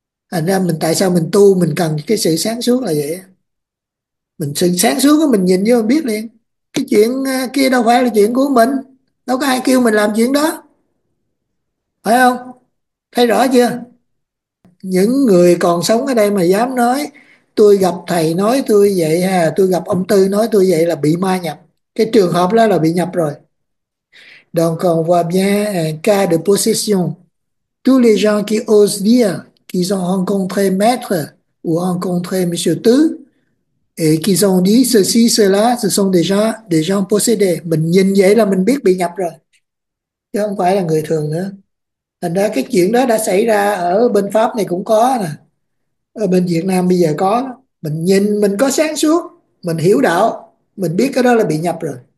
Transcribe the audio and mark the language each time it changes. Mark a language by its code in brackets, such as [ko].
[vi] Thành ra mình tại sao mình tu, mình cần cái sự sáng suốt là vậy. Mình sự sáng suốt của mình nhìn vô mình biết liền, cái chuyện kia đâu phải là chuyện của mình, đâu có ai kêu mình làm chuyện đó, phải không? Thấy rõ chưa? Những người còn sống ở đây mà dám nói tôi gặp thầy nói tôi vậy, hà tôi gặp ông Tư nói tôi vậy là bị ma nhập, cái trường hợp đó là bị nhập rồi. [fr] Donc on voit bien cas de possession, tous les gens qui osent dire qu'ils ont rencontré maître ou rencontré monsieur Tư et qu'ils ont dit ceci, cela, ce sont des gens possédés. [vi] Mình nhìn vậy là mình biết bị nhập rồi, chứ không phải là người thường nữa. Thành ra cái chuyện đó đã xảy ra ở bên Pháp này cũng có nè, ở bên Việt Nam bây giờ có. Mình nhìn mình có sáng suốt, mình hiểu đạo, mình biết cái đó là bị nhập rồi.